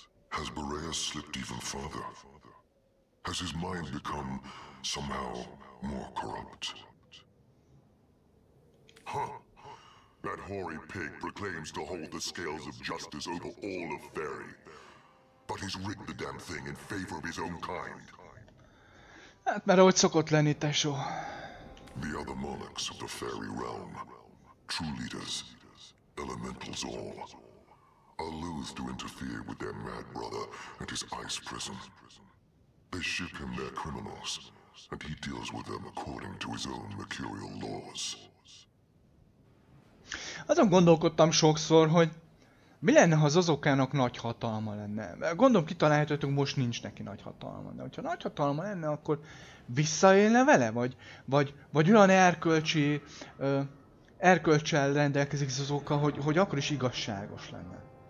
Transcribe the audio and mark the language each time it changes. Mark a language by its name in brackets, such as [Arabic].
[English] Has Boreas slipped even farther? Has his mind become somehow more corrupt? Huh? That hoary pig proclaims to hold the scales of justice over all of Faerie. But he's rigged the damn thing in favor of his own kind. [Hungarian] Hát, mert ahogy szokott lenni, tesó. [English] The other monarchs of the Faerie realm, true leaders, elementals all. Are loath to interfere with their mad brother and his ice prison. They ship him their criminals, and he deals with them according to his own mercurial laws. [Hungarian] Azon gondolkodtam sokszor, hogy mi lenne, ha az Azokának nagy hatalma lenne. Gondolom, kitalálhatjátok, most nincs neki nagy hatalma. De hogyha nagy hatalma lenne, akkor visszaélne vele? Vagy olyan erkölcsi erkölcsel rendelkezik Zozóka, hogy akkor is igazságos lenne.